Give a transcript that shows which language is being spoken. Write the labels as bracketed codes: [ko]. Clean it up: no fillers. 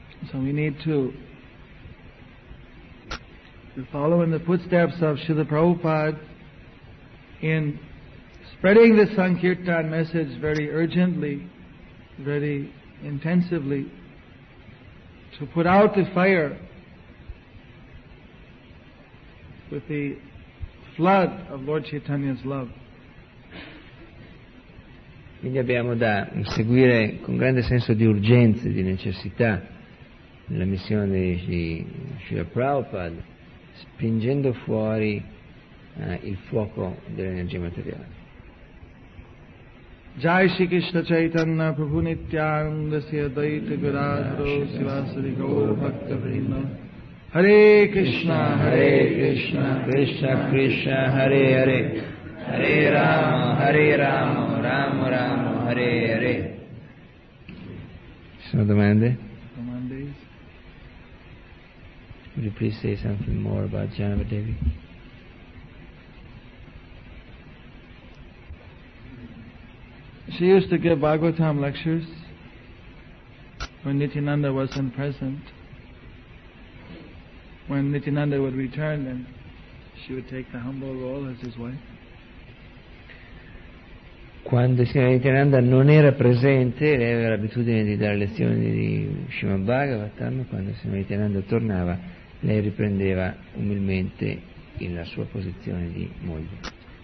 [en] So we need to follow in the footsteps of Srila Prabhupada in spreading the Sankirtan message very urgently, very intensively, to put out the fire with the flood of Lord Chaitanya's love. [it] Quindi abbiamo da seguire con grande senso di urgenza e di necessità la missione di Srila Prabhupada, spingendo fuori il fuoco dell'energia materiale. [sa] Jai Shri Krishna Chaitanya Prabhu Nityananda Sri Advaita Gadadhara Srivasadi Gaura Bhakta Vrinda. Hare Krishna, Hare Krishna, Krishna Krishna, Hare Hare, Hare Rama, Hare Rama, Rama Rama, Hare Hare. [it] Ci sono domande? Domande? [en] Would you please say something more about Janava Devi? She used to give Bhagavatam lectures when Nityananda wasn't present. When Nityananda would return, then she would take the humble role as his wife. [it] Quando il signor Nityananda non era presente, lei aveva l'abitudine di dare lezioni di Srimad Bhagavatam. Quando il signor Nityananda tornava, lei riprendeva umilmente in la sua posizione di moglie.